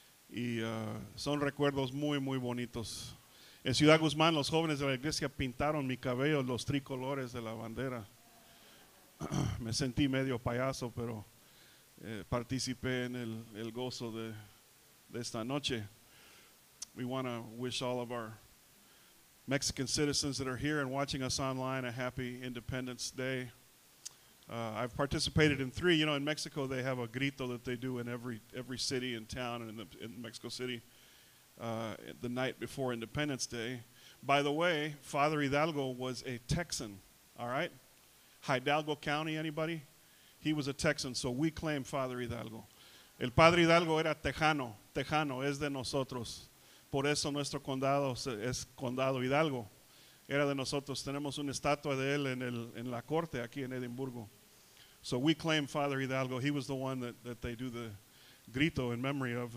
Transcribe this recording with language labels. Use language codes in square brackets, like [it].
[es] Y son recuerdos muy, muy bonitos. En Ciudad Guzmán, los jóvenes de la iglesia pintaron mi cabello los tricolores de la bandera. Me sentí medio payaso, pero participé en el gozo de esta noche. [en] We want to wish all of our Mexican citizens that are here and watching us online a happy Independence Day. I've participated in three. You know, in Mexico they have a grito that they do in every city and town and in Mexico City the night before Independence Day. By the way, Father Hidalgo was a Texan, all right? Hidalgo County, anybody? He was a Texan, so we claim Father Hidalgo. [es] El Padre Hidalgo era Tejano. Tejano es de nosotros. Por eso nuestro condado es Condado Hidalgo. Era de nosotros. Tenemos una estatua de él en la corte aquí en Edimburgo. [en] So we claim Father Hidalgo. He was the one that they do the grito in memory of.